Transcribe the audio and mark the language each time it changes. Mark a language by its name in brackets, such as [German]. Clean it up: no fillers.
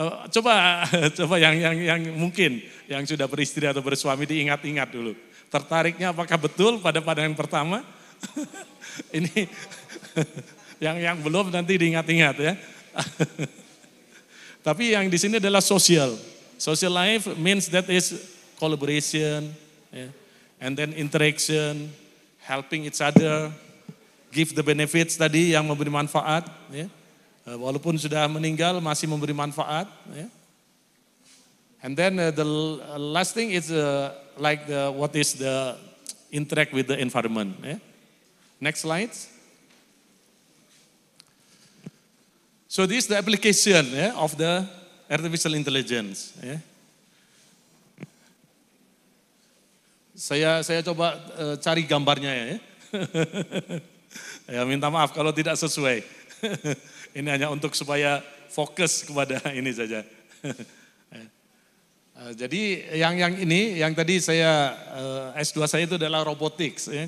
[Indonesian] Coba yang mungkin yang sudah beristri atau bersuami diingat-ingat dulu. Tertariknya apakah betul pada pandangan pertama? Ini yang belum nanti diingat-ingat ya. Tapi yang di sini adalah social. [English] Social life means that is collaboration, yeah, and then interaction, helping each other, give the benefits [Indonesian] tadi yang memberi manfaat, ya. [English] Yeah. [Indonesian] Walaupun sudah meninggal masih memberi manfaat. [English] Yeah. And then the last thing is like the what is the interact with the environment. Yeah. Next slide. So this is the application, yeah, of the artificial intelligence. Yeah. [Indonesian] Saya coba cari gambarnya ya. Ya minta maaf kalau tidak sesuai. Ini hanya untuk supaya fokus kepada ini saja. Jadi yang ini, yang tadi saya S2 saya itu adalah robotics, ya.